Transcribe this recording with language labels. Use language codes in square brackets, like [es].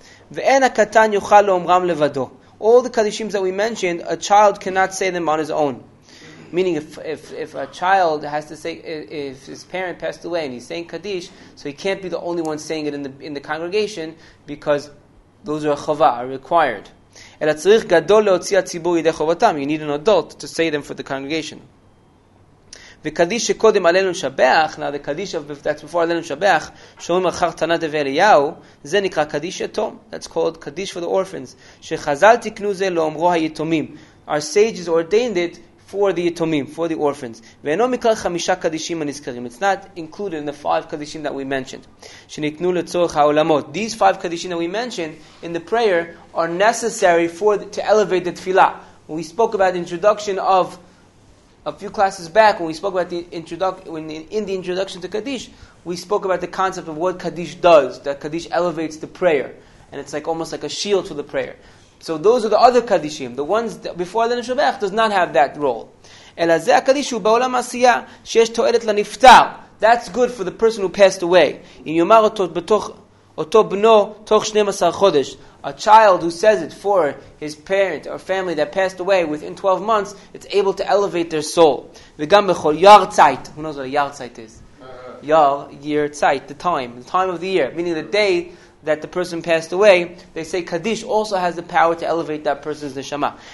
[he] ואין הקטן יוכל לאומרם לבדו. [en] All the Kaddishim that we mentioned, a child cannot say them on his own. Meaning if a child has to say, if his parent passed away and he's saying Kaddish, so he can't be the only one saying it in the congregation because those are chova, are required. [he] אלא צריך גדול להוציא הציבור ידי חובתם. [en] You need an adult to say them for the congregation. [he] וקדיש שקודם עלינו לשבח, [en] now the Kaddish that's before [he] עלינו לשבח, שאומרים אחר תנא דבאליהו, זה נקרא קדיש יתום. [en] That's called Kaddish for the orphans. [he] שחזל תקנו זה לאומרו היתומים. [en] Our sages ordained it for the yetomim, for the orphans. [he] ואינו מקרא חמישה קדישים הנזכרים. [en] It's not included in the five קדישים that we mentioned. [he] שניתנו לצורך העולמות. [en] These five קדישים that we mentioned in the prayer are necessary to elevate the תפילה. When we spoke about the introduction of a few classes back, when we spoke about the introduction to Kaddish, we spoke about the concept of what Kaddish does, that Kaddish elevates the prayer. And it's like almost like a shield to the prayer. So those are the other Kaddishim. The ones before Alein HaShabach does not have that role. [he] אלא זה הקדיש הוא בעולם העשייה שיש תועלת לנפטר. [en] That's good for the person who passed away. [he] אם יאמר אותו בנו תוך 12 חודש. [en] A child who says it for his parent or family that passed away within 12 months, it's able to elevate their soul. [he] וגם בכל יר צייט. [en] Who knows what a יר צייט is? יר, year צייט, the time. The time of the year. Meaning the day that the person passed away, they say Kaddish also has the power to elevate that person's neshama.